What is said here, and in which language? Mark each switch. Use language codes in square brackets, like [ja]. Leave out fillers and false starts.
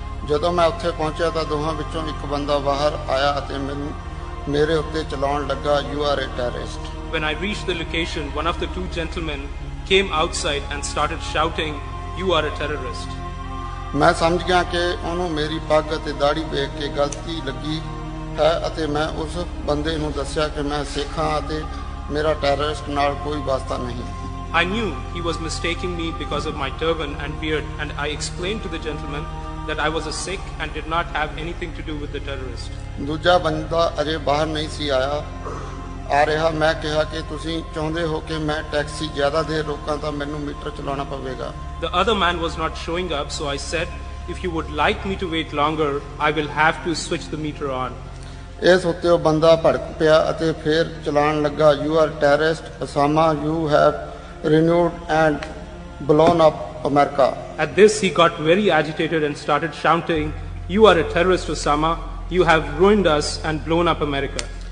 [pa] ਜਦੋਂ ਮੈਂ ਉੱਥੇ ਪਹੁੰਚਿਆ ਤਾਂ ਦੋਹਾਂ ਵਿੱਚੋਂ ਇੱਕ ਬੰਦਾ ਬਾਹਰ ਆਇਆ ਅਤੇ ਮੈਨੂੰ ਮੇਰੇ ਉੱਤੇ ਚਲਾਉਣ ਲੱਗਾ, [en] you are a terrorist. When I reached the location, one of the two gentlemen came outside and started shouting, you are a terrorist. [pa] ਮੈਂ ਸਮਝ ਗਿਆ ਕਿ ਉਹਨੂੰ ਮੇਰੀ ਪੱਗ ਅਤੇ ਦਾੜੀ ਵੇਖ ਕੇ ਗਲਤੀ ਲੱਗੀ ਹੈ ਅਤੇ ਮੈਂ ਉਸ ਬੰਦੇ ਨੂੰ ਦੱਸਿਆ ਕਿ ਮੈਂ ਸਿੱਖਾਂ ਅਤੇ ਮੇਰਾ ਟੈਰਰਿਸਟ ਨਾਲ ਕੋਈ ਵਾਸਤਾ ਨਹੀਂ। [en] I knew he was mistaking me because of my turban and beard, and I explained to the gentleman that I was a Sikh and did not have anything to do with the terrorist. [pa] ਦੂਜਾ ਬੰਦਾ ਅਜੇ ਬਾਹਰ ਨਹੀਂ ਸੀ ਆਇਆ ਆ ਰਿਹਾ। ਮੈਂ ਕਿਹਾ ਕਿ ਤੁਸੀਂ ਚਾਹੁੰਦੇ ਹੋ ਕਿ ਮੈਂ ਟੈਕਸੀ ਜ਼ਿਆਦਾ ਦੇਰ ਰੋਕਾਂ ਤਾਂ ਮੈਨੂੰ ਮੀਟਰ ਚਲਾਉਣਾ ਪਵੇਗਾ। [en] The other man was not showing up, so I said, if you would like me to wait longer, I will have to switch the meter on. [pa] ਇਸ ਉੱਤੇ ਉਹ ਬੰਦਾ ਭੜਕ ਪਿਆ ਅਤੇ ਫਿਰ ਚਲਾਉਣ ਲੱਗਾ, [en] You are terrorist Osama, you have ruined and blown up America. At this he got very agitated and started shouting, you are a terrorist Osama, you have ruined us and blown up America.